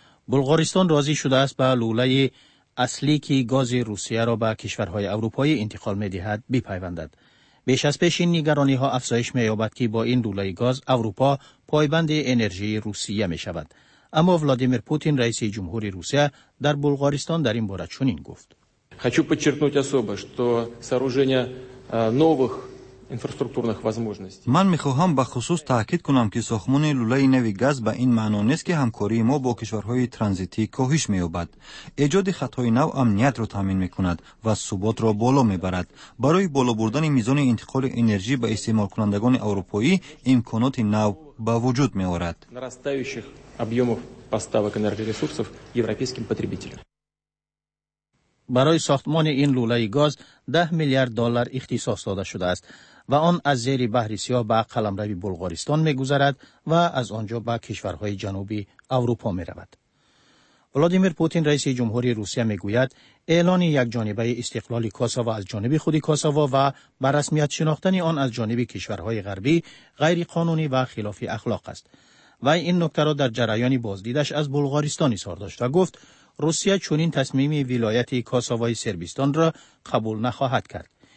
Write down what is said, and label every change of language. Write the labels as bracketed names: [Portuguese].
[Persian] بلغارستان راضی شده است به لوله اصلی که گاز روسیه را به کشورهای اروپایی انتقال می‌دهد بپیوندد. بیش از پیش این نگرانی ها افزایش می‌یابد که با این لوله گاز اروپا پایبند انرژی روسیه می‌شود. اما ولادیمیر پوتین رئیس جمهور روسیه در بلغارستان در این باره چنین گفت: [Russian] хочу подчеркнуть особо, что сооружение новых инфраструктурных возможностей. [Persian] من می‌خواهم به خصوص تاکید کنم که ساختمان لوله نوی گاز به این معنا نیست که همکاری ما با کشورهای ترانزیتی کاهش می‌یابد. ایجاد خطهای نو امنیت را تضمین می‌کند و ثبات را بالا می‌برد. برای بالا بردن میزان انتقال انرژی به استعمال کنندگان اروپایی امکانات نو به وجود می‌آورد. [Russian] нарастающих объёмов поставок энергоресурсов европейским потребителям. [Persian] برای ساختمان این لوله گاز 10 میلیارد دلار اختصاص داده شده است و آن از زیر بحر سیاه به قلمرو بلغارستان می‌گذرد و از آنجا به کشورهای جنوبی اروپا می‌رود. ولادیمیر پوتین رئیس جمهور روسیه می‌گوید اعلان یک جانبه استقلال کوسوو از جانب خود کوسوو و به رسمیت شناختن آن از جانب کشورهای غربی غیر قانونی و خلاف اخلاق است و این نکته را در جریان بازدیدش از بلغارستان اظهار داشت و گفت روسیه چنین تصمیم ولایت کوسووای سربستان را قبول نخواهد کرد.